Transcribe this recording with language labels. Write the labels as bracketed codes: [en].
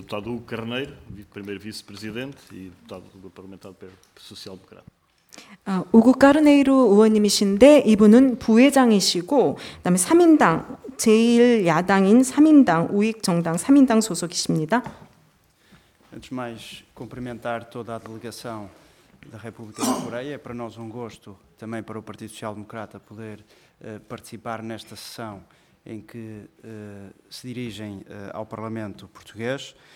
[pt] Deputado Hugo Carneiro, primeiro vice-presidente e deputado do Grupo Parlamentar do Partido Social Democrata. [ko] Hugo Carneiro 의원님이신데 이분은 부회장이시고 그다음에 3인당 제일 야당인 3인당 우익 정당 3인당 소속이십니다. [pt] Antes de mais, cumprimentar toda a delegação da República da Coreia. É para nós gosto, também para o Partido Social Democrata, poder participar nesta sessão em que se dirigem ao Parlamento Português.